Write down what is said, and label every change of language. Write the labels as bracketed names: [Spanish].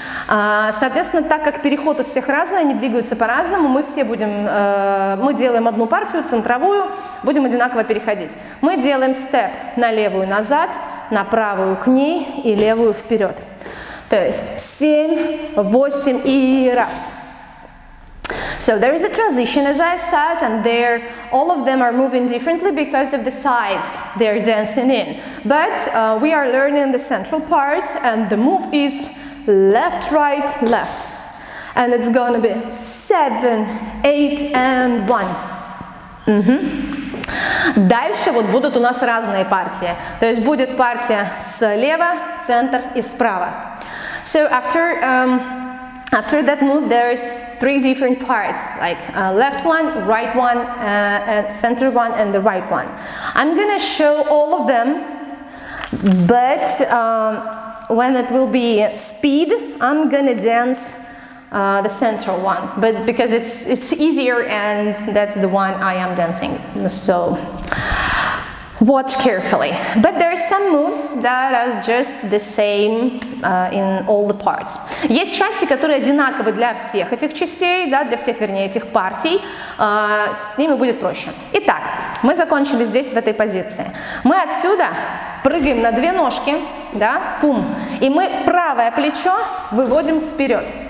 [Russian] Соответственно, так как переход у всех разный, они двигаются по-разному, мы все будем, мы делаем одну партию, центровую, будем одинаково переходить. Мы делаем степ на левую назад, на правую к ней и левую вперед. То есть 7, 8 и раз. [English] So there is a transition, as I said, and there all of them are moving differently because of the sides they're dancing in. But we are learning the central part, and the move is left, right, left. And it's gonna be 7, 8, and 1. Mm-hmm. [Russian] Дальше вот будут у нас разные партии. То есть будет партия слева, центр и справа. [English] So after after that move, there's three different parts, like left one, right one, and center one, and the right one. I'm gonna show all of them, but when it will be speed, I'm gonna dance the center one, but because it's easier, and that's the one I am dancing. So watch carefully. But there are some moves that are just the same in all the parts. [Russian] Есть части, которые одинаковы для всех этих частей, да, для всех, вернее, этих партий. С ними будет проще. Итак, мы закончили здесь, в этой позиции. Мы отсюда прыгаем на две ножки, да, пум, и мы правое плечо выводим вперед.